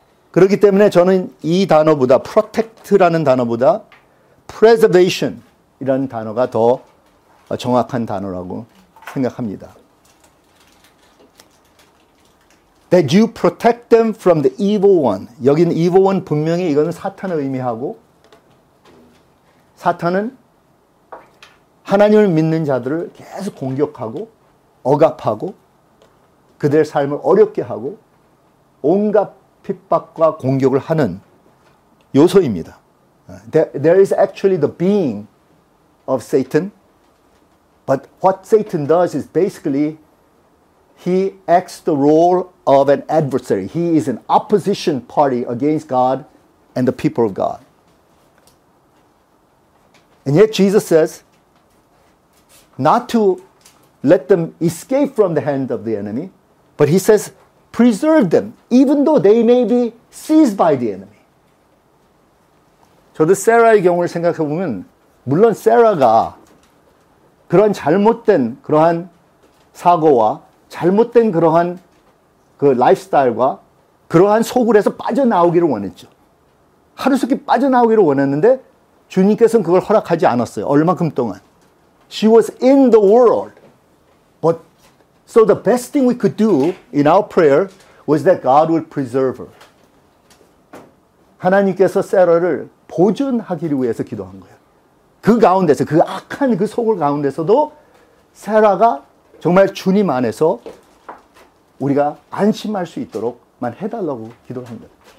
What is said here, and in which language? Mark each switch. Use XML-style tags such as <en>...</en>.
<ko>그렇기 때문에 저는 이 단어보다 protect라는 단어보다 preservation이라는 단어가 더 정확한 단어라고 생각합니다.</ko> <en>That you protect them from the evil one.</en> <ko>여기는 evil one 분명히 이거는 사탄을 의미하고 사탄은 하나님을 믿는 자들을 계속 공격하고 억압하고 그들의 삶을 어렵게 하고 온갖 핍박과 공격을 하는 요소입니다.</ko> <en>There is actually the being of Satan. But what Satan does is basically he acts the role of an adversary. He is an opposition party against God and the people of God. And yet Jesus says not to let them escape from the hand of the enemy, but he says, preserve them, even though they may be seized by the enemy.</en> <ko>저도 세라의 경우를 생각해보면, 물론 세라가 그런 잘못된 그러한 사고와 잘못된 그러한 그 라이프스타일과 그러한 속을 해서 빠져나오기를 원했죠. 하루속히 빠져나오기를 원했는데, 주님께서는 그걸 허락하지 않았어요. 얼마큼 동안.</ko> <en>She was in the world. So the best thing we could do in our prayer was that God would preserve her.</en> <ko>하나님께서 세라를 보존하기를 위해서 기도한 거예요. 그 가운데서, 그 악한 그 속을 가운데서도 세라가 정말 주님 안에서 우리가 안심할 수 있도록만 해달라고 기도한 거예요.</ko>